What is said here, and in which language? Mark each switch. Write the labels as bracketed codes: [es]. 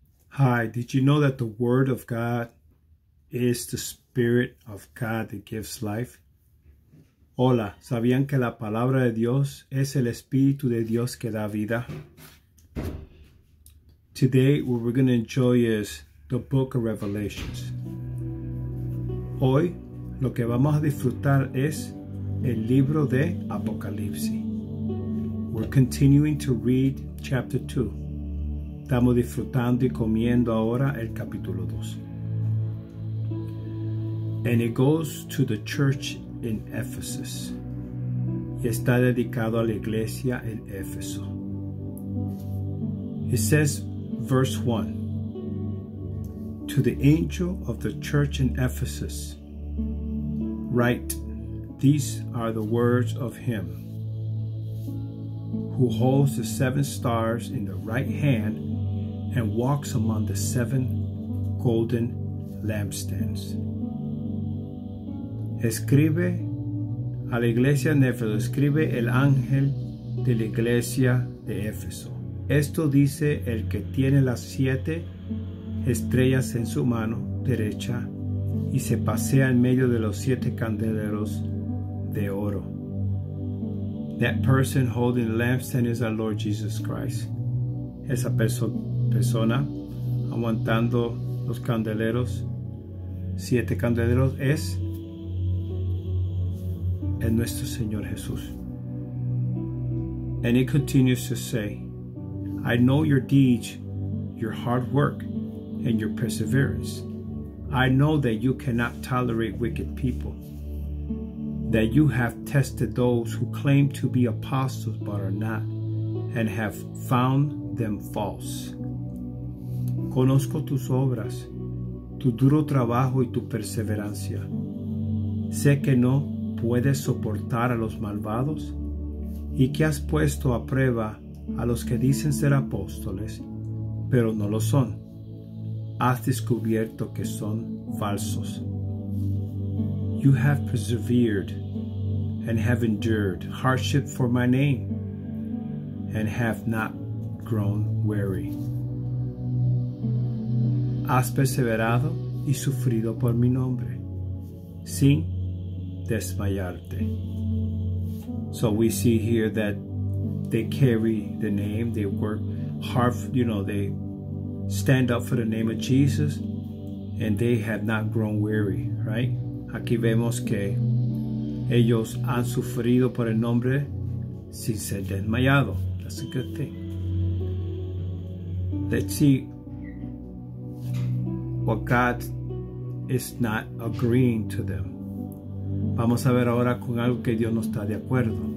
[en] Hi, did you know that the Word of God is the Spirit of God that gives life? [es] Hola, ¿sabían que la palabra de Dios es el Espíritu de Dios que da vida? [en] Today, what we're going to enjoy is the Book of Revelations. [es] Hoy, lo que vamos a disfrutar es el libro de Apocalipsis. [en] We're continuing to read chapter 2. [es] Estamos disfrutando y comiendo ahora el capítulo 2. [en] And it goes to the church in Ephesus. [es] Y está dedicado a la iglesia en Éfeso. [en] It says, verse 1. To the angel of the church in Ephesus, write, these are the words of him who holds the seven stars in the right hand and walks among the seven golden lampstands. [es] Escribe a la iglesia de Éfeso. Escribe el ángel de la iglesia de Éfeso. Esto dice el que tiene las siete estrellas en su mano derecha y se pasea en medio de los siete candeleros de oro. [en] That person holding the lampstand is our Lord Jesus Christ. [es] Esa persona aguantando los candeleros, siete candeleros, es en nuestro Señor Jesús. [en] And he continues to say, I know your deeds, your hard work, and your perseverance. I know that you cannot tolerate wicked people, that you have tested those who claim to be apostles but are not, and have found them false. [es] Conozco tus obras, tu duro trabajo y tu perseverancia. Sé que no puedes soportar a los malvados y que has puesto a prueba a los que dicen ser apóstoles, pero no lo son. Has descubierto que son falsos. [en] You have persevered and have endured hardship for my name and have not grown weary. [es] Has perseverado y sufrido por mi nombre, sin desmayarte. [en] So we see here that they carry the name, they work hard, you know, they stand up for the name of Jesus, and they have not grown weary, right? [es] Aquí vemos que ellos han sufrido por el nombre sin ser desmayado. [en] That's a good thing. Let's see what God is not agreeing to them. [es] Vamos a ver ahora con algo que Dios no está de acuerdo.